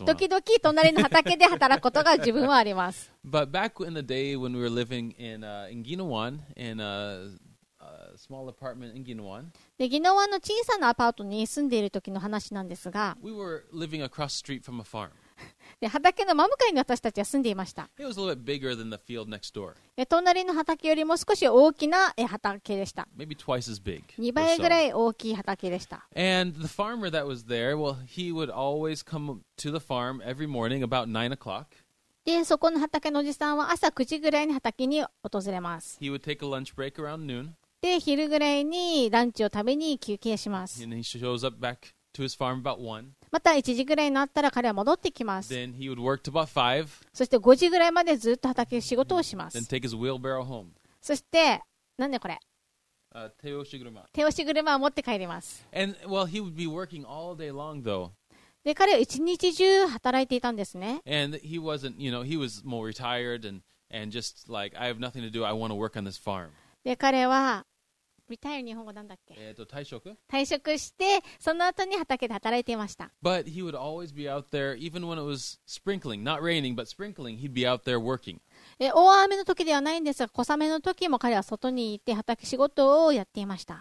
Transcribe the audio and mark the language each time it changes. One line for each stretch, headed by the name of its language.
Japanese: 時々隣の畑で働くことが自分はあります。
English: But back in the day when we were living in, in Ginawan, in a, a small apartment in Ginawan,
Japanese: で、ギノワの小さなアパートに住んでいる時の話なんですが、
English: we were living across the street from a farm.
Japanese: で、畑の真向かいに私たちは住んでいました。
English: It was a little bit bigger than the field next door.
Japanese: 隣の畑よりも少し大きな畑でした。
English: Maybe twice as big.
Japanese: 2倍ぐらい大きい畑でした。
English: And the farmer that was there, well, he would always come to the farm every morning about 9 o'clock.
Japanese: で、そこの畑のおじさんは朝9時ぐらいに畑に訪れます。
English: He would take a lunch break around noon.
Japanese: で、昼ぐらいにランチを食べに休憩します。
English: And he shows up back to his farm about 1.
Japanese: また1時ぐらいになったら彼は戻ってきます。
English: Then he would work to about five.
Japanese: そして5時ぐらいまでずっと畑で仕事をします。
English: Then take his wheelbarrow home.
Japanese: そして、なんでこれ、手押し車。手押し車を持って帰ります。
English: And, well, he would be working all day long, though.
Japanese: で、彼は1日中働いていたんですね。
English: And he wasn't, you know, he was more retired and just like, I have nothing to do, I want to work on this farm.
Japanese: で、彼は、リタイル日本語なんだっけ、退職退職してその後に畑で働いていました。
English: But he would always be out there even when it was sprinkling, not raining, but sprinkling, he'd be out there working.
Japanese: 大雨の時ではないんですが、小雨の時も彼は外にいて畑仕事をやっていました。